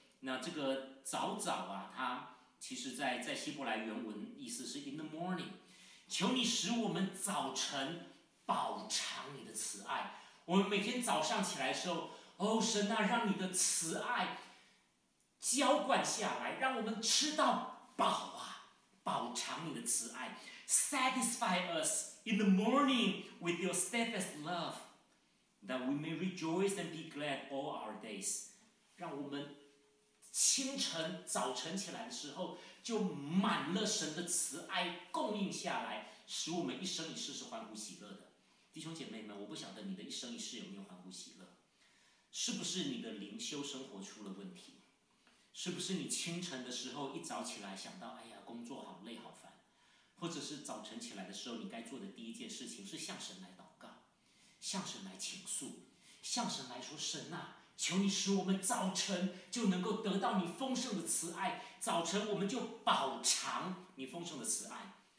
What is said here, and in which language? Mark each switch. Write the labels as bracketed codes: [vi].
[zh] 那这个早早啊，他其实在希伯来原文意思是 [en] in the morning， [zh] 求你使我们早晨饱尝你的慈爱。我们每天早上起来的时候，哦神啊，让你的慈爱浇灌下来，让我们吃到饱啊，饱尝你的慈爱。 [en] Satisfy us in the morning with your steadfast love, that we may rejoice and be glad all our days. [zh] 让我们清晨早晨起来的时候就满了神的慈爱供应下来，使我们一生一世是欢呼喜乐的。弟兄姐妹们，我不晓得你的一生一世有没有欢呼喜乐，是不是你的灵修生活出了问题，是不是你清晨的时候一早起来想到哎呀工作好累好烦，或者是早晨起来的时候你该做的第一件事情是向神来祷告，向神来倾诉，向神来说神啊，求你使我们早晨就能够得到你丰盛的慈爱，早晨我们就饱尝你丰盛的慈爱。